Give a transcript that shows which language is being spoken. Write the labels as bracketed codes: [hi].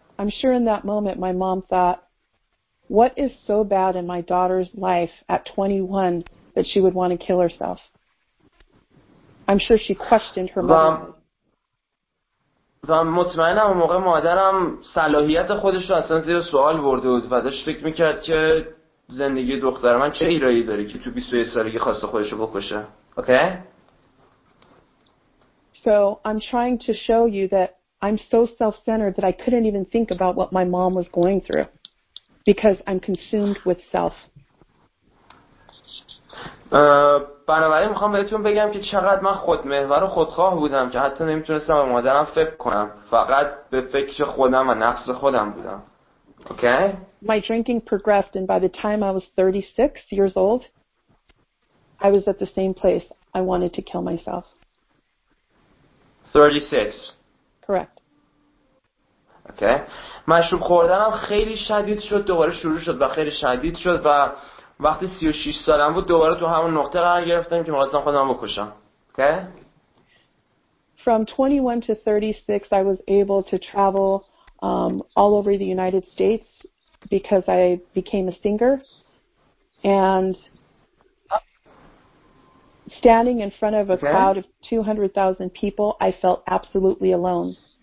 [en] I'm sure in that moment my mom thought, what is so bad in my daughter's life at 21 that she would want to kill herself? I'm sure she questioned her mother. [fa] و مطمئنم اون موقع مادرم صلاحیت خودش رو اصلا زیر سوال برده بود و داشت فکر میکرد که زندگی دختر من چه ایرادی داره که تو 21 سالگی خواسته خودش رو بکشه. [en] Okay? So I'm trying to show you that I'm so self-centered that I couldn't even think about what my mom was going through because I'm consumed with self. [fa] بنابراین میخوام بهتون بگم که چقدر من خودمحور و خودخواه بودم که حتی نمیتونستم به مادرم فکر کنم، فقط به فکر خودم و نفس خودم بودم. [en] Okay? My drinking progressed and by the time I was 36 years old I was at the same place. I wanted to kill myself. 36. Correct. Okay. [fa] مشروب خوردنم خیلی شدید شد، دوباره شروع شد و خیلی شدید شد و وقتی 36 سالم بود دوباره تو همون نقطه قرار گرفتم که مثلا خودم بکشم. [en] Okay? From 21 to 36 I was able to travel all over the United States because I became a singer. And standing in front of a crowd of 200,000 people, I felt absolutely alone.